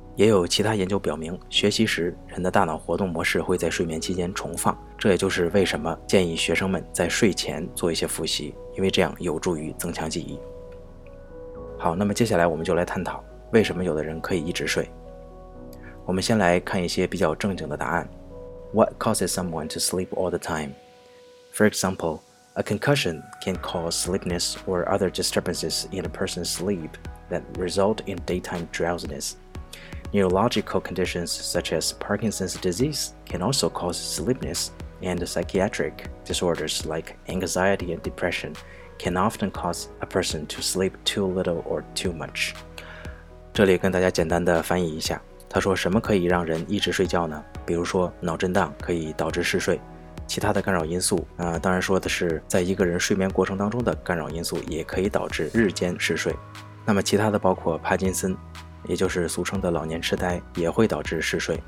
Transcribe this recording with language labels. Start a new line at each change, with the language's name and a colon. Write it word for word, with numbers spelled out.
Chinese: 也有其他研究表明，学习时人的大脑活动模式会在睡眠期间重放，这也就是为什么建议学生们在睡前做一些复习，因为这样有助于增强记忆。好，那么接下来我们就来探讨为什么有的人可以一直睡。我们先来看一些比较正经的答案。
English: What causes someone to sleep all the time? For example, a concussion can cause sleepiness or other disturbances in a person's sleep that result in daytime drowsiness. Neurological conditions such as Parkinson's disease can also cause sleepiness, and psychiatric disorders like anxiety and depression can often cause a person to sleep too little or too much.
Chinese: 这里跟大家简单的翻译一下，他说什么可以让人一直睡觉呢？比如说脑震荡可以导致嗜睡，其他的干扰因素，呃，当然说的是在一个人睡眠过程当中的干扰因素也可以导致日间嗜睡。那么其他的包括帕金森，也就是俗称的老年痴呆，也会导致嗜睡。